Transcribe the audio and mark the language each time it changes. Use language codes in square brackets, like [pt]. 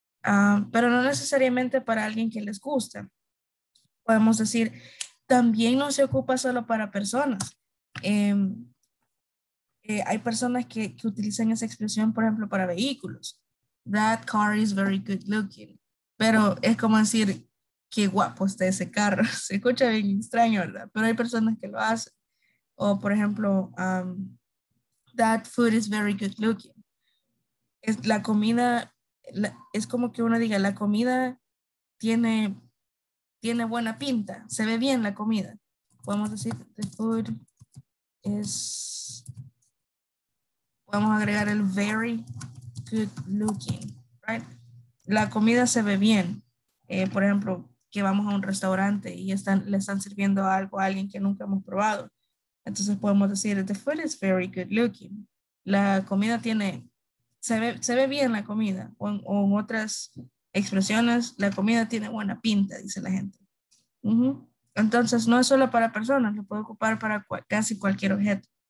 [es] Pero no necesariamente para alguien que les gusta. Podemos decir, también no se ocupa solo para personas. Hay personas que utilizan esa expresión, por ejemplo, para vehículos. [en] That car is very good looking. [es] Pero es como decir, qué guapo está ese carro. Se escucha bien extraño, ¿verdad? Pero hay personas que lo hacen. O, por ejemplo, [en] that food is very good looking. [es] Es la comida... es como que uno diga, la comida tiene buena pinta, se ve bien la comida. Podemos decir, [en] the food is, [es] podemos agregar el [en] very good looking, right? [es] La comida se ve bien. Por ejemplo, que vamos a un restaurante y le están sirviendo algo a alguien que nunca hemos probado. Entonces podemos decir, [en] the food is very good looking. [es] La comida tiene... Se ve bien la comida, o en otras expresiones, la comida tiene buena pinta, dice la gente. Entonces, no es solo para personas, lo puede ocupar para casi cualquier objeto.